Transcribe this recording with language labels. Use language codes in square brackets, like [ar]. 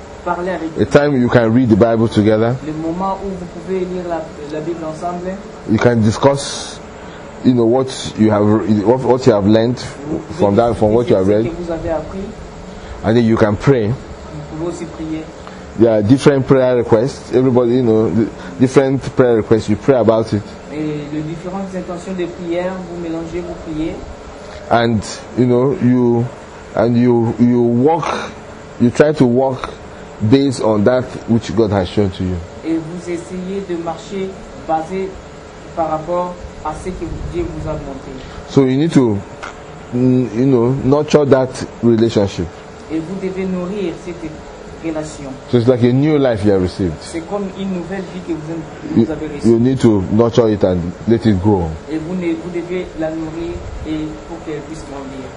[en] A time you can read the Bible together. [fr] Le moment où vous pouvez lire la Bible ensemble. [en] You can discuss, you know, what you have learned from what you have read. [fr] Vous avez appris. [en] And then you can pray. [fr] Vous pouvez aussi prier. [en] There are different prayer requests. Everybody, you know, different prayer requests. You pray about it. [fr] Et les différentes intentions de prière, vous mélangez, vous priez. [en] And you know, you walk. You try to walk based on that which God has shown to you. [fr] Et vous essayez de marcher basé par rapport à ce que Dieu vous a montré. [en] So you need to, you know, nurture that relationship. [fr] Et vous devez nourrir cette relation. [en] So it's like a new life you have received. [fr] C'est comme une nouvelle vie que vous avez reçue. [en] You need to nurture it and let it grow. [fr] Et vous devez la nourrir et pour qu'elle puisse grandir.